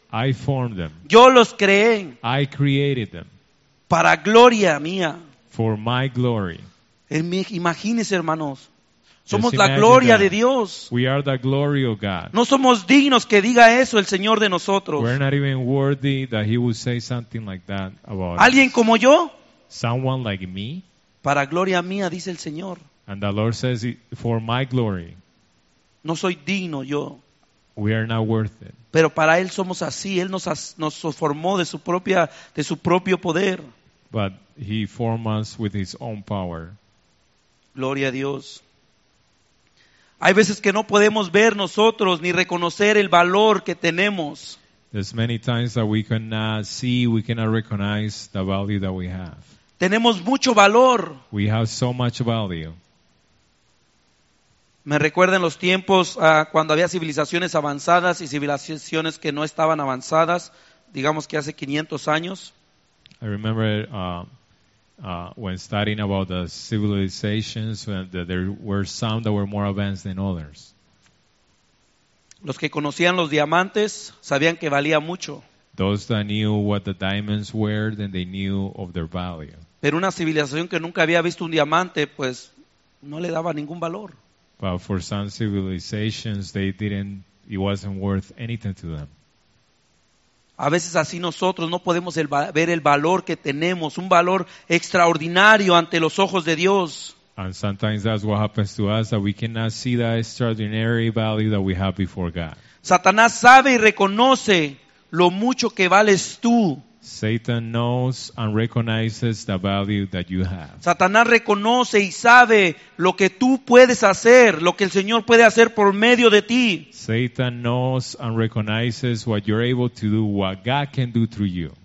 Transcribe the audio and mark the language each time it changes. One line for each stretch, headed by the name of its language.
English: I formed them.
Spanish: Yo los creé.
English: I created them.
Spanish: Para gloria mía.
English: For my glory.
Spanish: Imagínense, hermanos. Somos la gloria de Dios.
English: We are the glory of God.
Spanish: No somos dignos que diga eso el Señor de nosotros.
English: We're not even worthy that he would say something like that about
Spanish: ¿Alguien
English: us.
Spanish: Como yo?
English: Someone like me.
Spanish: Para gloria mía, dice el Señor.
English: And the Lord says, for my glory.
Spanish: No soy digno yo.
English: We are not worth it.
Spanish: Pero para él somos así. Él nos formó de su propia, de su propio poder.
English: But he formed us with his own power.
Spanish: Gloria a Dios. Hay veces que no podemos ver nosotros ni reconocer el valor que tenemos.
English: There's many times that we cannot see, we cannot recognize the value that we have.
Spanish: Tenemos mucho valor.
English: We have so much value.
Spanish: Me recuerda en los tiempos cuando había civilizaciones avanzadas y civilizaciones que no estaban avanzadas, digamos que hace 500 años.
English: I remember when studying about the civilizations, that there were some that were more advanced than others.
Spanish: Los que conocían los diamantes sabían que valía mucho.
English: Those that knew what the diamonds were, then they knew of their value.
Spanish: Pero una civilización que nunca había visto un diamante, pues no le daba ningún valor.
English: But for some civilizations, it wasn't worth anything to them.
Spanish: A veces así nosotros no podemos ver el valor que tenemos, un valor extraordinario ante los ojos de Dios.
English: And sometimes that's what happens to us, that we cannot see that extraordinary value that we have before God.
Spanish: Satanás sabe y reconoce lo mucho que vales tú.
English: Satan knows and recognizes the value that you have.
Spanish: Satanás reconoce y sabe lo que tú puedes hacer, lo que el Señor puede hacer por medio de ti.
English: Satan knows and recognizes what you're able to do, what God can do through you.